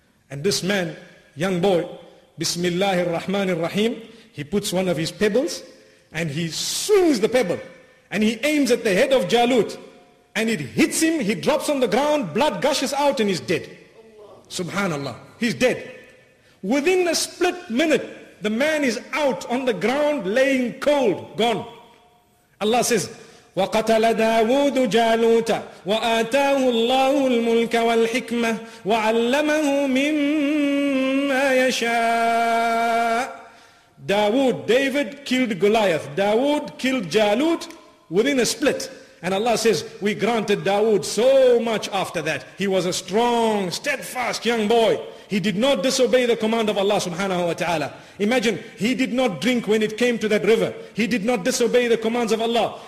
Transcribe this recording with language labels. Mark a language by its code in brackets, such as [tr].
[en] And this man, young boy, Bismillahir Rahmanir Rahim, he puts one of his pebbles and he swings the pebble. And he aims at the head of Jalut. And it hits him, he drops on the ground, blood gushes out and he's dead. Subhanallah. He's dead. Within a split minute, the man is out on the ground, laying cold, gone. Allah says, [ar] وَقَتَلَ دَاوُودُ جَالُوتَ وَآتَاهُ اللَّهُ الْمُلْكَ وَالْحِكْمَةِ وَعَلَّمَهُ مِمَّا يَشَاءُ. [en] Dawood, David killed Goliath. Dawood killed Jalut. Within a split. And Allah says, we granted Dawood so much after that. He was a strong, steadfast young boy. He did not disobey the command of Allah subhanahu wa ta'ala. Imagine, he did not drink when it came to that river. He did not disobey the commands of Allah.